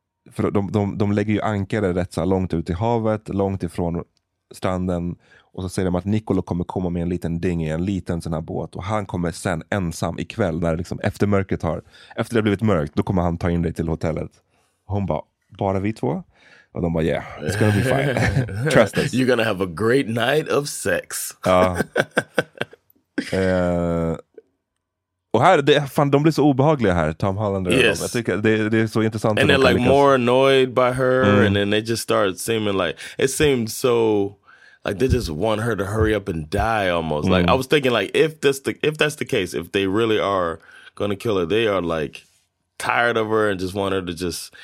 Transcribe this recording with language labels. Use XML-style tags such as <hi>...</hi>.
<sv>För de lägger ju ankare rätt så långt ut i havet, långt ifrån stranden. Och så säger de att Nicolo kommer komma med en liten ding i en liten sån här båt. Och han kommer sen ensam ikväll när det liksom efter mörket har... Efter det har blivit mörkt, då kommer han ta in dig till hotellet. Och hon bara, bara vi två? Och de bara,</sv> <en>yeah, it's gonna be fine. Trust us. You're gonna have a great night of sex.</en> <sv>Ja. Och här, de blir så obehagliga här, Tom Holland.</sv> <en>Yes.</en> <sv>Jag tycker det är så intressant.</sv> <en>And they're like more annoyed by her. Mm. And then they just start seeming like... It seemed so... Like they just want her to hurry up and die almost. Mm. Like I was thinking, like if that's the case, if they really are gonna kill her, they are like tired of her and just want her to just.</en>